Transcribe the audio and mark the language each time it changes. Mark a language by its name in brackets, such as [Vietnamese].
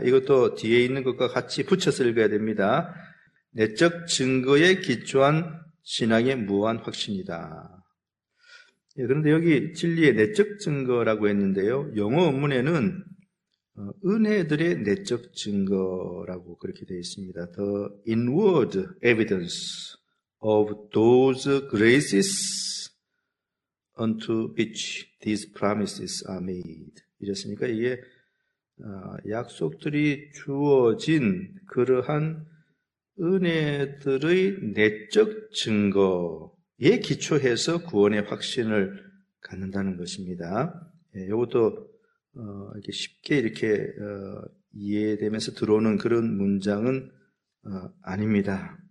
[Korean] 이것도 뒤에 있는 것과 같이 붙여서 읽어야 됩니다. 내적 증거에 기초한 신앙의 무한 확신이다. 예, 그런데 여기 진리의 내적 증거라고 했는데요. 영어 원문에는 은혜들의 내적 증거라고 그렇게 되어 있습니다. [English] The inward evidence of those graces unto which these promises are made. [Korean] 이랬으니까 이게 약속들이 주어진 그러한 은혜들의 내적 증거에 기초해서 구원의 확신을 갖는다는 것입니다. 예, 이것도 이렇게 쉽게 이렇게 이해되면서 들어오는 그런 문장은 아닙니다.